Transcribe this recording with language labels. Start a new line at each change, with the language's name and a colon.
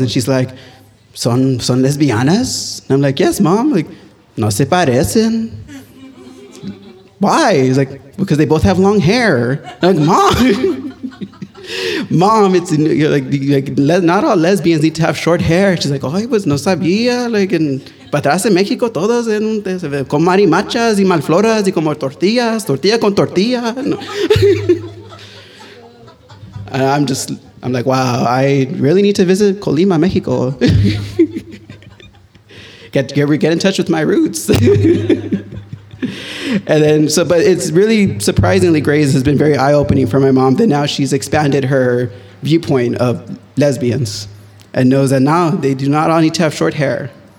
English: And she's like,
Spanish: son lesbianas?
English: And I'm like, yes, mom.
Spanish: Like, no se parecen. Why?
English: He's like, because they both have long hair. I'm like, mom. Mom, it's like not all lesbians need to have short hair. She's like, oh,
Spanish: pues no sabía. Like, en patras en México todos en con marimachas y malfloras y como tortillas, tortilla con tortilla.
English: And I'm like, wow, I really need to visit Colima, Mexico. get in touch with my roots. And then, but it's really surprisingly, Grey's has been very eye-opening for my mom that now she's expanded her viewpoint of lesbians and knows that now they do not all need to have short hair.